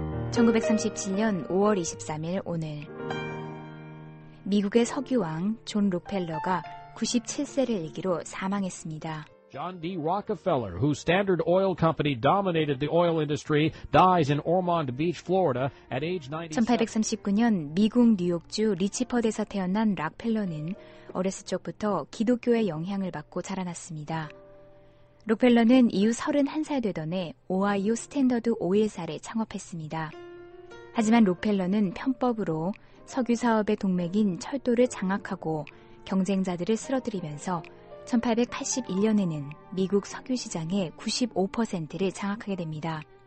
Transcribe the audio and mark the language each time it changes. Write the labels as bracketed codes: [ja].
[ko] 1937년 5월 23일 오늘 미국의 석유왕 존 록펠러가 97세를 일기로 사망했습니다. [en] John D. Rockefeller, whose Standard Oil Company dominated the oil industry, dies in Ormond Beach, Florida at age [ko] 1839년 미국 뉴욕주 리치퍼드에서 태어난 록펠러는 어렸을 적부터 기독교의 영향을 받고 자라났습니다. 록펠러는 이후 31살 되던 해 오하이오 스탠더드 오일사를 창업했습니다. 하지만 록펠러는 편법으로 석유 사업의 동맥인 철도를 장악하고 경쟁자들을 쓰러뜨리면서 1881년에는 미국 석유 시장의 95%를 장악하게 됩니다.